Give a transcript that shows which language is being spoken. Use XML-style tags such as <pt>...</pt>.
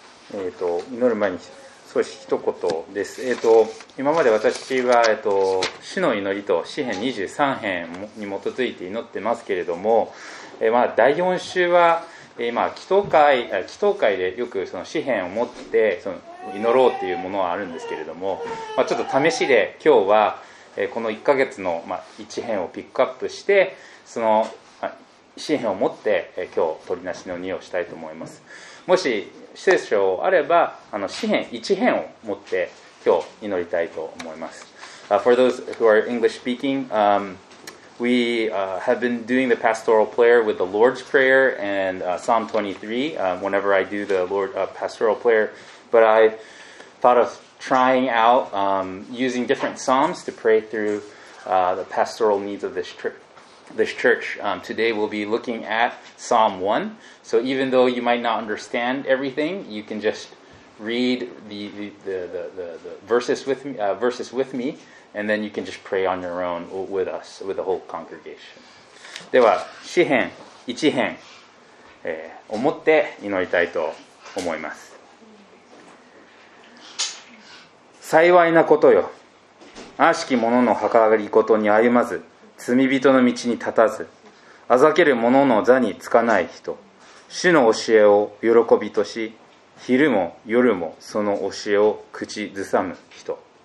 <ja>祈る前に少し一言です。今まで私は、主の祈りと詩編23編に基づいて祈ってますけれども、第4週は、祈祷会でよくその詩編を持ってその祈ろうというものはあるんですけれども、ちょっと試しで今日はこの1ヶ月の1編をピックアップして、その詩編を持って今日取りなしの2をしたいと思います。もし聖書あれば、詩編1編を持って今日祈りたいと思います。</ja> <en>For those who are English speaking, we have been doing the pastoral prayer with the Lord's Prayer and Psalm 23 whenever I do the Lord pastoral prayer, but I thought of trying out using different psalms to pray through the pastoral needs of this church. Today we'll be looking at Psalm 1. So even though you might not understand everything, you can just read the verses with me, and then you can just pray on your own with us, with the whole congregation.</en> <ja>では、詩編1編、思って祈りたいと思います。幸いなことよ、悪しき者の計りごとに歩まず、罪人の道に立たず、あざける者の座につかない人、主の教えを喜びとし、昼も夜もその教えを口ずさむ人。</ja>